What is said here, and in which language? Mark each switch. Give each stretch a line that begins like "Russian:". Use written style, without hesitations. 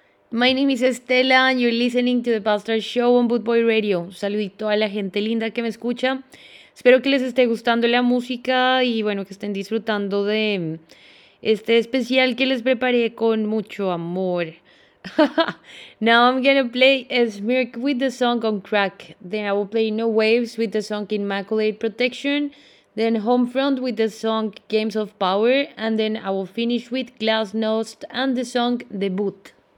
English: My name is Stella and you're listening to the Bastard Show on Boot Boy Radio.
Spanish: Saludito a la gente linda que me escucha. Espero que les esté gustando la música y bueno, que estén disfrutando de este especial que les preparé con mucho amor.
English: Now I'm gonna play Smirk with the song On Crack. Then I will play No Waves with the song Immaculate Protection. Then Homefront with the song Games of Power. And then I will finish with Glasnost and the song The Boot.